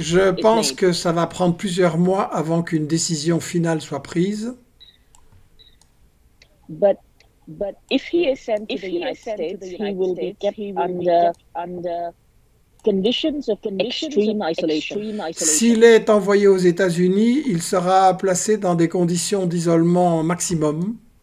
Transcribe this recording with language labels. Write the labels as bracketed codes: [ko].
[fr] Je pense que ça va prendre plusieurs mois avant qu'une décision finale soit prise. [en] But if he is sent to the United States, he will be kept under conditions of extreme isolation. [fr] S'il est envoyé aux États-Unis, il sera placé dans des conditions d'isolement maximum.